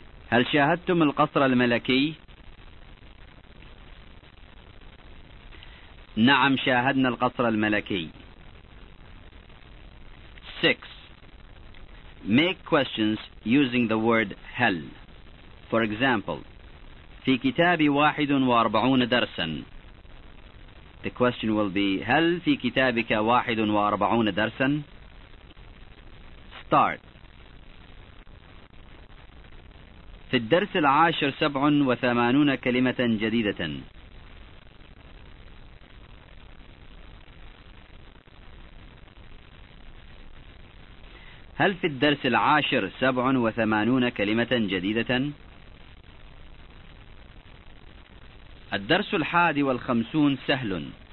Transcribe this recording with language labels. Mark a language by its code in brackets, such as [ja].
[ar] هل شاهدتم القصر الملكي؟ نعم شاهدنا القصر الملكي. [en] 6. Make questions using the word هل. For example, [ar] في كتابي 41 درسا. [en] The question will be, [ar] هل في كتابك 41 درسا؟ [en] Start. [ar] في الدرس العاشر 87 كلمة جديدة. هل في الدرس العاشر 87 كلمة جديدة؟ الدرس 51 سهل.